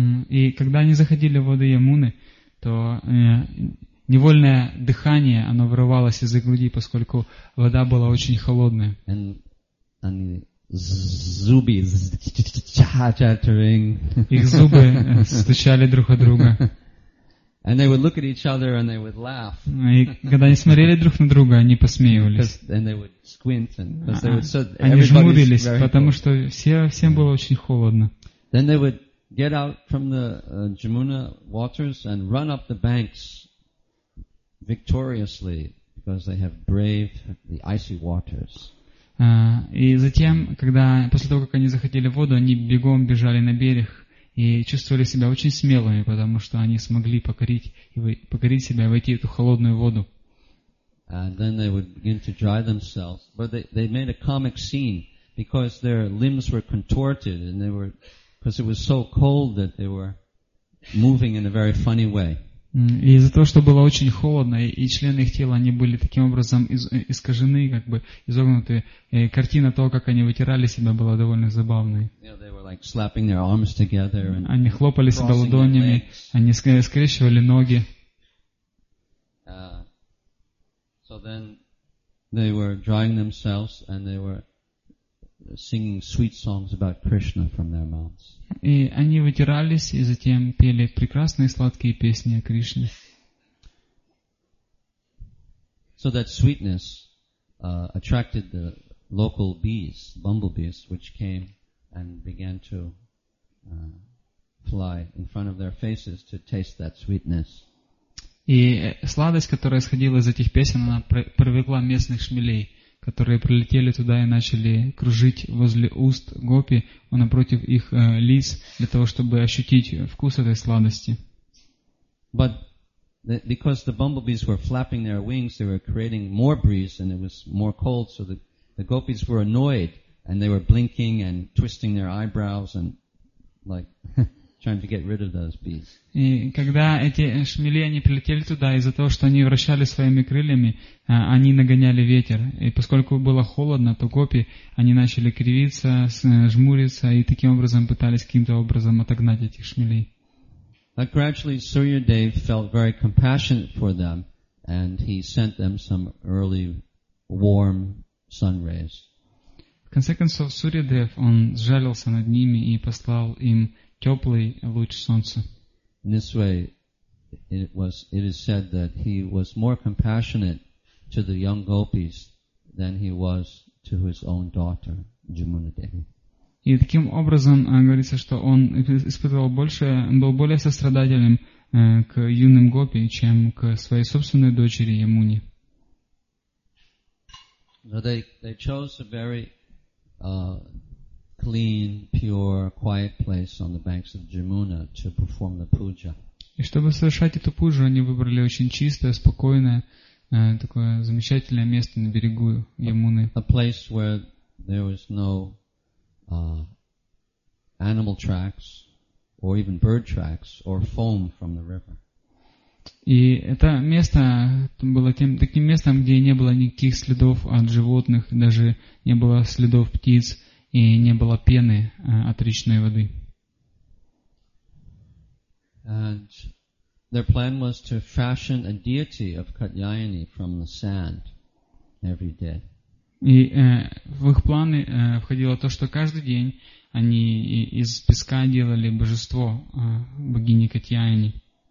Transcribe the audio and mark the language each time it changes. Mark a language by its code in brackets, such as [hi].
[ru] И когда они заходили в воды Ямуны, то невольное дыхание, оно вырывалось из-за груди, поскольку вода была очень холодная. [en] And [ru] зубы [en] chattering. [ru] Их зубы стучали друг о друга. [en] And they would look at each other and they would laugh. [ru] И когда они смотрели друг на друга, они посмеивались. [en] And they would squint, because they would so. [ru] Они жмурились, потому что всем было очень холодно. [en] Then they would get out from the Jamuna waters and run up the banks victoriously, because they have braved the icy waters. [ru] И затем, когда после того, как они заходили в воду, они бегом бежали на берег. И чувствовали себя очень смелыми, потому что они смогли покорить себя и войти в эту холодную воду. [en] And then they would begin to dry themselves. But they made a comic scene, because their limbs were contorted, and they were, because it was so cold that they were moving in a very funny way. [ru] И из-за того, что было очень холодно, и члены их тела, они были таким образом искажены, как бы изогнуты. И картина того, как они вытирали себя, была довольно забавной. Они хлопали себя ладонями, они скрещивали ноги. [en] So then They were drying themselves and they were singing sweet songs about Krishna from their mouths. [ru] И они вытирались и затем пели прекрасные сладкие песни о Кришне. [en] So that sweetness attracted the local bees, bumblebees, which came and began to fly in front of their faces to taste that sweetness. [ru] И сладость, которая исходила из этих песен, она привлекла местных шмелей, которые прилетели туда и начали кружить возле уст гопи, напротив их лиц, для того, чтобы ощутить вкус этой сладости. [en] But because the bumblebees were flapping their wings, they were creating more breeze and it was more cold, so the gopis were annoyed and they were blinking and twisting their eyebrows and like trying to get rid of those bees. [ru] И когда эти шмели они прилетели туда из-за того, что они вращали своими крыльями, они нагоняли ветер. И поскольку было холодно, то гопи они начали кривиться, жмуриться и таким образом пытались каким-то образом отогнать этих шмелей. [en] But gradually Suryadev felt very compassionate for them and he sent them some early warm sun rays. [ru] В конце концов Suryadev он сжалился над ними и послал им теплый луч солнца. [en] In this way, it is said that he was more compassionate to the young gopis than he was to his own daughter, Jamuna Devi. [ru] И таким образом говорится, что он испытывал больше, был более сострадательным к юным гопи, чем к своей собственной дочери Ямуне. [en] So they chose a very clean, pure, quiet place on the banks of Jamuna to perform the puja. [ru] И чтобы совершать эту пуджу, они выбрали очень чистое, спокойное, такое замечательное место на берегу Ямуны. [en] A place where there was no animal tracks, or even bird tracks, or foam from the river. [ru] И это место было таким местом, где не было никаких следов от животных, даже не было следов птиц и не было пены от речной воды. [en] And their plan was to fashion a deity of Katyayani from the sand every day. [ru] И в их планы входило то, что каждый день они из песка делали божество богини Катьяйни.